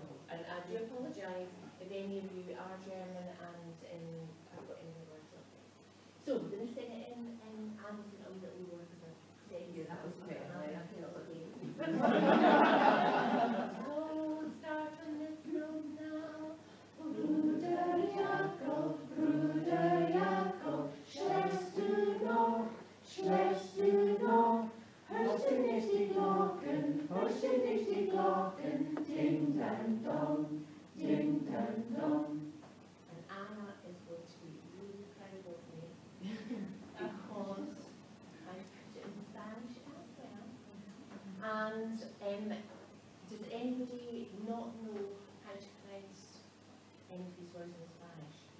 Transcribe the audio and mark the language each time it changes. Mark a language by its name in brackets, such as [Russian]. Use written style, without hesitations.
[English] And I do apologise if any of you are German and have got any words on it. So, I'm going to sing it in Amazon a little bit more, because I said you that was quite high, I feel like it. So, start from this room now. [German] Bruder Jakob, schläfst du noch, hörst du nicht die Glocken, ding dang dong, [English] And Anna is going to be really proud of me, because I put it in Spanish as well. And does anybody not know how to pronounce any of these words in Spanish?